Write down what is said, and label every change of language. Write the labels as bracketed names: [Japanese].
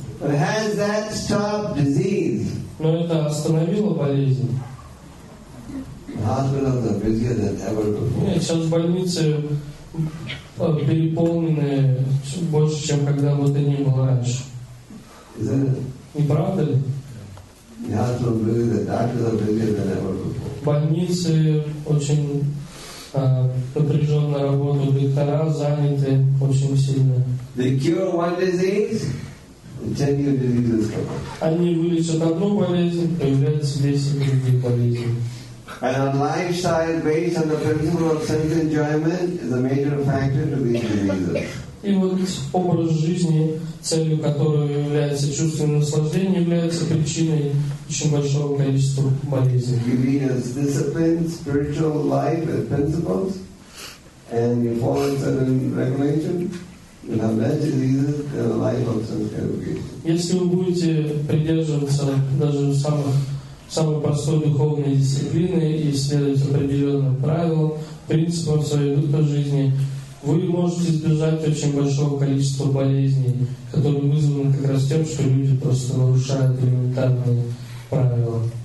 [English] But has that stopped disease? [Russian] Но это остановило болезнь? [English] Hospitals are busier than ever before. [Russian] Нет, сейчас больницы переполнены больше, чем когда бы то ни было раньше. [English] Is that it? [Russian] Не правда ли? [English] The hospitals are busier, the doctors are busier than ever before. [Russian] Больницы очень напряженная работа, доктора заняты очень сильно. [English] They cure one disease, and 10 new diseases come. [Russian] Они вылечат одну болезнь, появляются 10 других болезней. [English] And on lifestyle based on the principle of sense enjoyment is a major factor to these diseases. [Russian] И вот образ жизни, целью которой является чувственное наслаждение, является причиной очень большого количества болезней. [English] You lead a disciplined spiritual life with principles, and you follow certain regulations, you have less diseases than a life of self-education. [Russian] Если вы будете придерживаться даже самой простой духовной дисциплины и следовать определенным правилам, принципам своей жизни, вы можете избежать очень большого количества болезней, которые вызваны как раз тем, что люди просто нарушают элементарные правила.